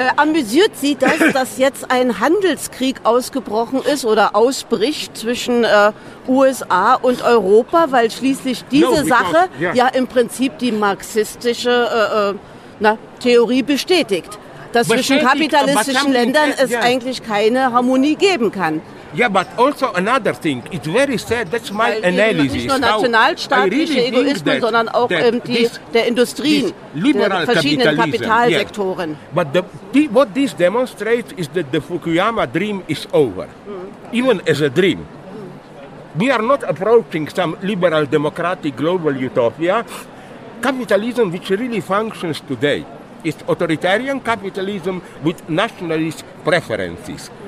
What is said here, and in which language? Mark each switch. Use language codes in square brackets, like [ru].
[de] Amüsiert Sie das, dass jetzt ein Handelskrieg ausgebrochen ist oder ausbricht zwischen USA und Europa, weil schließlich diese Sache im Prinzip die marxistische Theorie bestätigt, dass zwischen kapitalistischen Ländern es eigentlich keine Harmonie geben kann. [en] Yeah, but also another thing, it's very sad, that's my analysis. [de] Nicht nur nationalstaatliche Egoismen, sondern auch der Industrien, der verschiedenen Kapitalsektoren. [en] But what this demonstrates is that the Fukuyama dream is over, even as a dream. We are not approaching some liberal democratic global utopia. Capitalism, which really functions today, is authoritarian capitalism with nationalist preferences.